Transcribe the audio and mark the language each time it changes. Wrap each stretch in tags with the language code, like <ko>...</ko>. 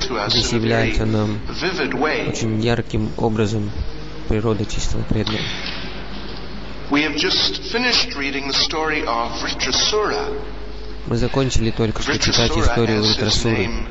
<ru>Здесь является нам очень ярким образом природа чистого преданного.</ru> <en>We have just finished reading the story of Vritrasura.</en> <ru>Мы закончили только что читать историю Вритрасуры.</ru>